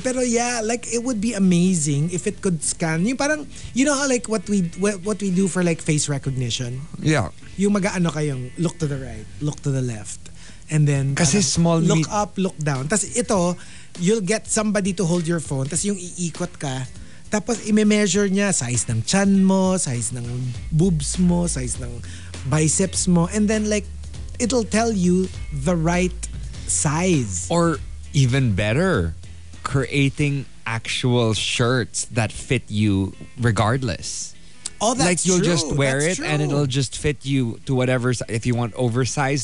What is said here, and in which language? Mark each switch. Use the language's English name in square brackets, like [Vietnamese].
[English] Pero yeah, like, it would be amazing if it could scan. [Filipino] Yung parang, [English] you know how like what we do for like face recognition? Yeah. [Filipino] Yung mag-ano kayong, [English] look to the right, look to the left. And then, [Filipino] kasi parang, small [English] look up, look down. [Filipino] Tapos ito, [English] you'll get somebody to hold your phone. [Filipino] Tapos yung iikot ka. Tapos i-measure niya size ng chan mo, size ng boobs mo, size ng biceps mo. [English] And then like, it'll tell you the right size. Or even better, creating actual shirts that fit you regardless. Oh, that's like true. You'll just wear that's it true. And it'll just fit you to whatever, if you want oversized.